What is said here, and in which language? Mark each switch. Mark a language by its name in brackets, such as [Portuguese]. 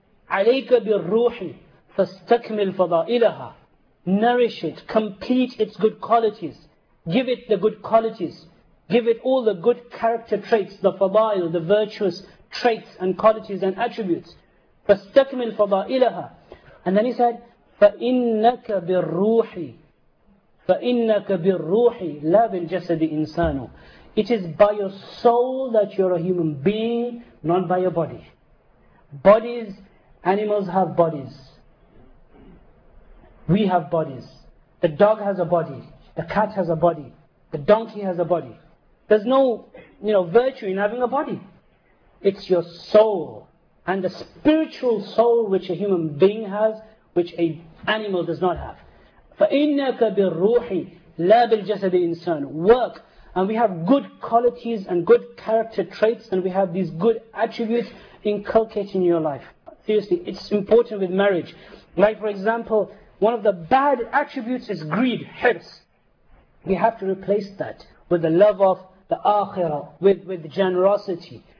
[Arabic] عليك بالروح. فاستكمل فضائلها. [English] Nourish it. Complete its good qualities. Give it the good qualities. Give it all the good character traits, the fadail, the virtuous traits and qualities and attributes. [Arabic] فَاسْتَكْمِلْ فَضَائِلَهَا. [English] And then he said, [Arabic] فَإِنَّكَ بِالْرُوحِ فَإِنَّكَ بِالْرُوحِ لَا بِالْجَسَدِ إِنسَانُ. [English] It is by your soul that you're a human being, not by your body. Bodies, animals have bodies. We have bodies. The dog has a body. The cat has a body. The donkey has a body. There's no, you know, virtue in having a body. It's your soul and the spiritual soul which a human being has, which an animal does not have. [Arabic] فَإِنَّكَ بِالرُّوحِ لَا بِالْجَسَدِ إِنسَانُ [English] Work. And we have good qualities and good character traits, and we have these good attributes inculcated in your life. Seriously, it's important with marriage. Like for example, one of the bad attributes is greed, hirs. We have to replace that with the love of the akhirah, with generosity.